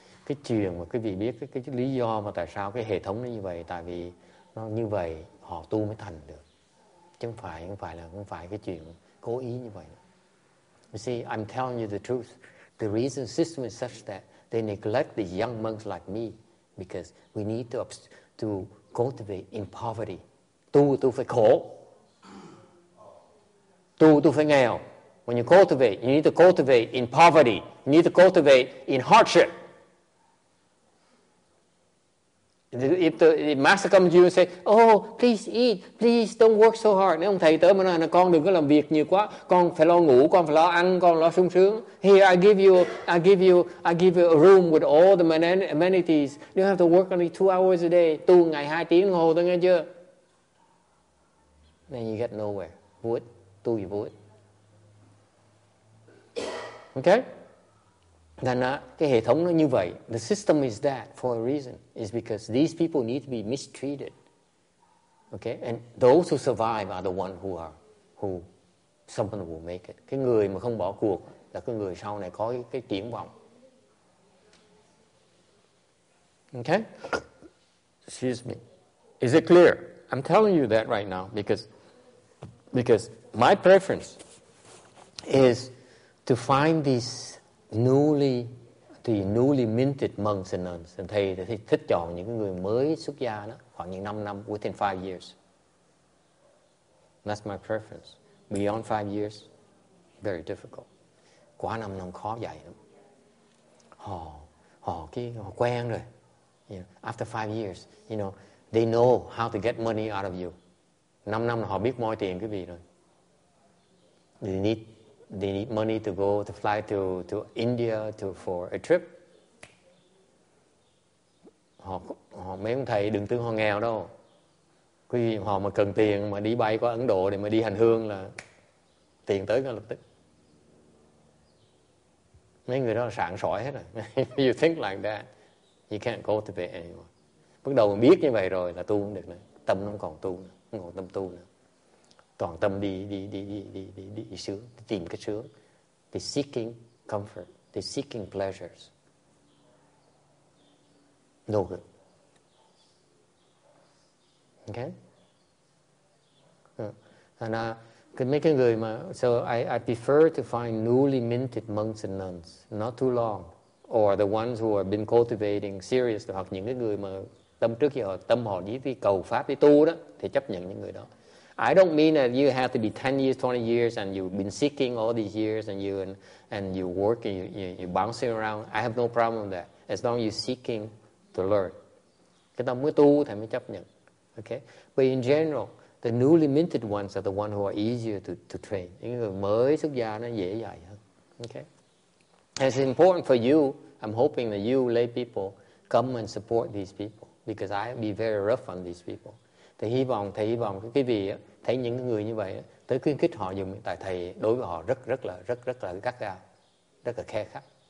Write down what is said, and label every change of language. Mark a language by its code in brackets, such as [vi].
[vi] Cái chuyện mà quý vị biết cái lý do mà tại sao cái hệ thống nó như vậy, tại vì nó như vậy họ tu mới thành được, chứ không phải cái chuyện cố ý như vậy. [en] You see, I'm telling you the truth. The reason system is such that they neglect the young monks like me because we need to cultivate in poverty. [vi] Tu phải khổ, tu phải nghèo. [en] When you cultivate, you need to cultivate in poverty. You need to cultivate in hardship. If the master comes to you and say, "Oh, please eat, please don't work so hard." [vi] Nếu ông thầy tới mà nói là con đừng có làm việc nhiều quá, con phải lo ngủ, con phải lo ăn, con lo sung sướng. [en] Here I give you a room with all the amenities. You don't have to work only 2 hours a day. [vi] Tu ngày 2 tiếng hồ thôi, nghe chưa? [en] Then you get nowhere. [vi] Vô ích. Tu gì vô ích. [en] Okay? Then [vi] cái hệ thống nó như vậy. [en] The system is that for a reason. It's because these people need to be mistreated. Okay? And those who survive are the ones who someone will make it. [vi] Cái người mà không bỏ cuộc là cái người sau này có cái triển vọng. [en] Okay? Excuse me. Is it clear? I'm telling you that right now because my preference is to find these newly minted monks and nuns. [vi] And thầy thích chọn những người mới xuất gia đó, khoảng những 5 năm, [en] within 5 years. That's my preference. Beyond 5 years, very difficult. [vi] Quá 5 năm khó dạy lắm. Họ quen rồi. [en] You know, after 5 years, you know, they know how to get money out of you. [vi] 5 năm họ biết moi tiền quý vị rồi. [en] They need money to go to fly to India for a trip. [vi] Họ mấy ông thầy đừng tưởng họ nghèo đâu. Quý vị họ mà cần tiền mà đi bay qua Ấn Độ để mà đi hành hương là tiền tới ngay lập tức. Mấy người đó là sảng sỏi hết rồi. [en] You think like that, you can't cultivate anymore. [vi] Bắt đầu mà biết như vậy rồi là tu không được nữa. Tâm nó còn tu nữa, không còn tâm tu nữa. Toàn tâm đi sướng, tìm cái sướng. [en] the seeking comfort, the seeking pleasures. No good. Okay? And making good, so I prefer to find newly minted monks and nuns, not too long, or the ones who have been cultivating seriously, [vi] hoặc những cái người mà tâm trước khi họ tâm họ đi đi cầu pháp đi tu đó, thì chấp nhận những người đó. [en] I don't mean that you have to be 10 years, 20 years, and you've been seeking all these years, and you working, you bouncing around. I have no problem with that. As long as you're seeking to learn, [vi] cái tâm mới tu thì mới chấp nhận. [en] Okay, but in general, the newly minted ones are the one who are easier to train. [vi] Những người mới xuất gia nó dễ dạy hơn. [en] Okay. It's important for you. I'm hoping that you lay people come and support these people because I'll be very rough on these people. [vi] Thầy hy vọng quý vị thấy những người như vậy tới khuyến khích họ dùng tại thầy đối với họ rất là gắt gao, rất là khe khắc.